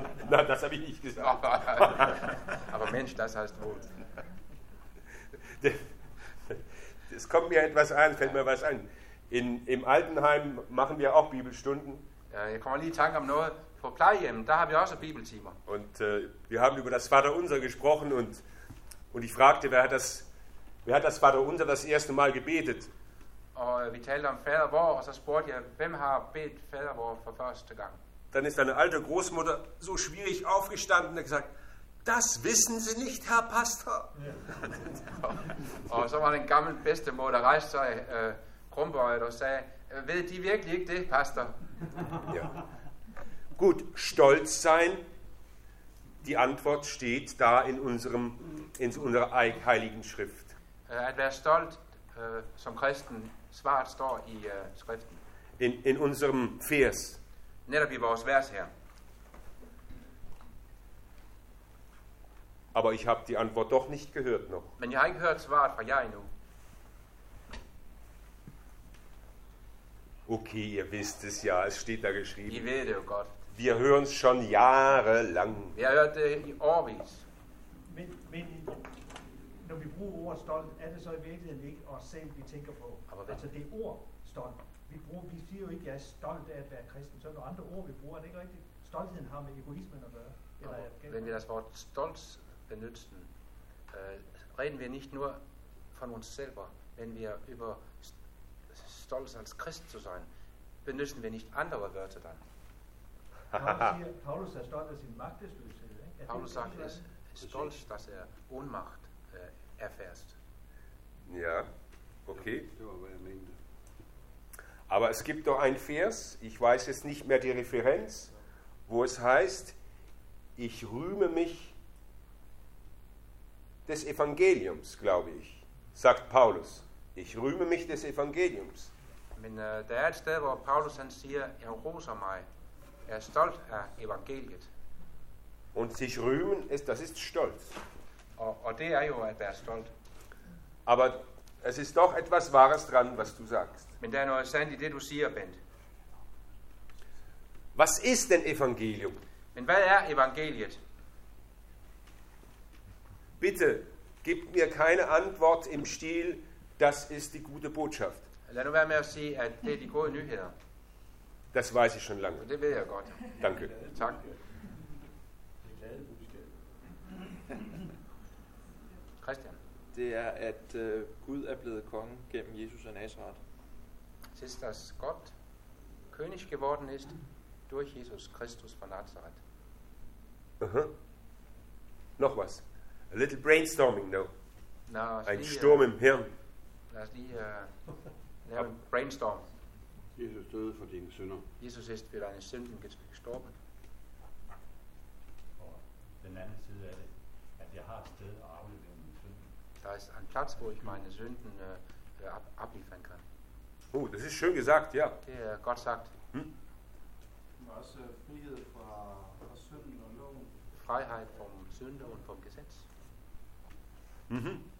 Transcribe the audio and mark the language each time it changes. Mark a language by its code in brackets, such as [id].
[de] Nej, das habe ich nicht gesagt. Aber Mensch, das heißt wohl. Es kommt mir etwas ein, fällt mir was ein. Im Altenheim machen wir auch Bibelstunden. [da] Ja, jeg kommer lige i tanke om noget. På plejehjem, der har vi også bibeltimer. [de] Und wir haben über das Vaterunser gesprochen und ich fragte, wer hat das Vaterunser das erste Mal gebetet? [da] Og vi talte om Fadervor, og så spurgte jeg, hvem har bedt Fadervor for første gang? [de] Dann ist eine alte Großmutter so schwierig aufgestanden und gesagt, das wissen Sie nicht, Herr Pastor. Ja. [da] Og så var den gamle bedstemor, der rejste sig krumbøjet og sagde, ved de virkelig ikke det, Pastor? Ja. [de] Gut, stolz sein, die Antwort steht da in unserer heiligen Schrift. [da] At være stolt som kristen, svaret står i skriften. [de] In unserem Vers. [da] Netop i vores vers her. [de] Aber ich habe die Antwort doch nicht gehört noch. [da] Men jeg har ikke hørt svaret fra jer endnu. [de] Okay, ihr wisst es ja, es steht da geschrieben. [da] I ved det jo godt. [de] Wir hören es schon jahrelang. Wir hören es in Orbis. [da] Men når vi bruger ordet stolt, er det så i virkeligheden ikke os selv, vi tænker på. Altså det er ord, stolt. Vi siger jo ikke, jeg er stolt af at være kristen. Så er det andre ord, vi bruger. Er det ikke rigtigt? Stoltheden har med egoismen at gøre. [de] Wenn wir das Wort stolz benutzen, reden wir nicht nur von uns selber, wenn wir über stolz als Christ zu sein, benutzen wir nicht andere Wörter dann. [da] Paulus er stolt af sin magtesløshed. [de] Paulus sagt, er stolt, dass er ohnmacht erfährst. Ja, okay. [da] Det var, hvad jeg mente. [de] Aber es gibt doch ein Vers, ich weiß jetzt nicht mehr die Referenz, wo es heißt, ich rühme mich des Evangeliums, glaube ich, sagt Paulus. Ich rühme mich des Evangeliums. [da] Men der er et sted, hvor Paulus han siger, jeg roser mig. Er stolt af evangeliet. [de] Und sich rühmen, das ist stolz. [da] Og det er jo at være stolt. [de] Aber es ist doch etwas Wahres dran, was du sagst. [da] Men der er noget sandt i det, du siger, Bent. [de] Was ist denn Evangelium? [da] Men hvad er evangeliet? [de] Bitte, gib mir keine Antwort im Stil, das ist die gute Botschaft. [da] Lad nu være med at sige, at det er de gode nyheder. [de] Das weiß ich schon lange. [da] Det ved jeg godt. [de] Danke. [da] Tak. Christian. Det er, at Gud er blevet konge gennem Jesus af Nazaret. [de] Es ist, dass Gott König geworden ist durch Jesus Christus von Nazareth. Uh-huh. Noch was. [en] A little brainstorming, though. No. [de] Ein Sturm im Hirn. [da] Lad os lige lave en brainstorm. Jesus døde for dine synder. [de] Jesus ist für deine Sünden gestorben. [da] Og den anden side er det, at jeg har et sted at aflevere mine synder. [de] Da ist ein Platz, wo ich meine Sünden abliefern kann. Oh, das ist schön gesagt, ja. [da] Det er godt sagt. Men også frihed fra synden og loven. [de] Freiheit vom Sünde und vom Gesetz. Mhm.